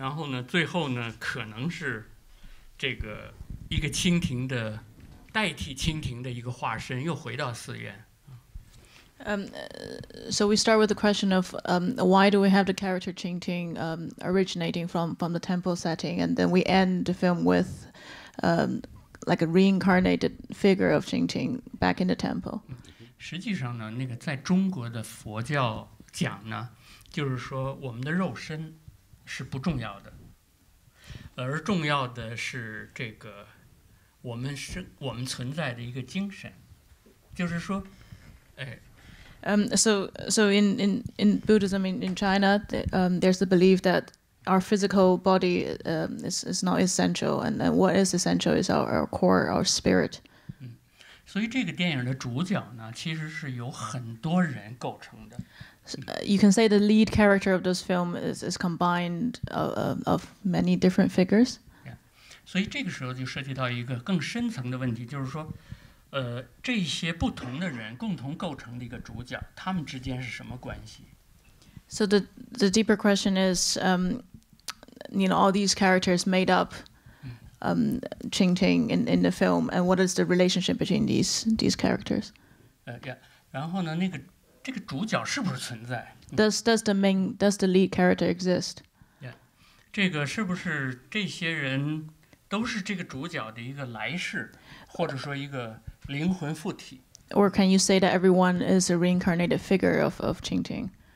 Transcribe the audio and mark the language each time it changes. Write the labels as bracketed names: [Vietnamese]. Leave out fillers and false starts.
[Chinese] 然后呢，最后呢，可能是这个一个蜻蜓的代替蜻蜓的一个化身，又回到寺院。 [English] So we start with the question of why do we have the character Qingting originating from the temple setting, and then we end the film with like a reincarnated figure of Qingting back in the temple. [Chinese] 实际上呢，那个在中国的佛教讲呢，就是说我们的肉身是不重要的，而重要的是这个我们存在的一个精神，就是说，哎。 [English] So in Buddhism in China, there's the belief that our physical body is not essential, and then what is essential is our core, our spirit. [Chinese] 所以这个电影的主角呢，其实是由很多人构成的。 [English] You can say the lead character of this film is combined of many different figures. Yeah. [Chinese] 所以这个时候就涉及到一个更深层的问题，就是说。这些不同的人共同构成的一个主角，他们之间是什么关系？ [English] So the deeper question is, you know, all these characters made up, Qingting in the film, and what is the relationship between these characters? Yeah. [Chinese] 然后呢，那个这个主角是不是存在？ [English] Does the lead character exist? Yeah. [Chinese] 这个是不是这些人都是这个主角的一个来世，或者说一个？灵魂附体。 [English] Or can you say that everyone is a reincarnated figure of Qingting?